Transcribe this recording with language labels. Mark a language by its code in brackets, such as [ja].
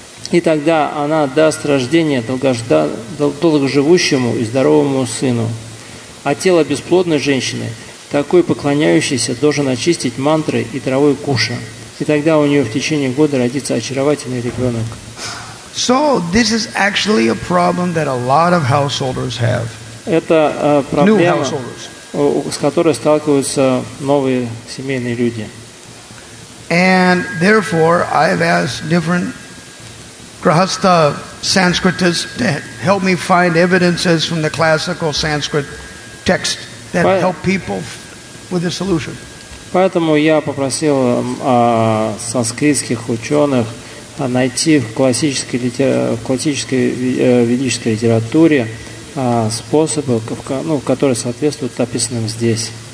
[ru] И тогда она даст рождение долгоживущему и здоровому сыну. А тело бесплодной женщины, такой поклоняющейся, должен очистить мантрой и травой куша. И тогда у нее в течение года родится очаровательный ребенок. [en] So this is actually a problem that a lot of householders have. [ru] Это проблема, с которой сталкиваются новые семейные люди. [en] And therefore, I've asked different grahastha Sanskritists to help me find evidences from the classical Sanskrit text that help people with the solution. [ru] Поэтому я попросил санскритских ученых найти в классической ведической литературе способы, которые соответствуют описанным здесь.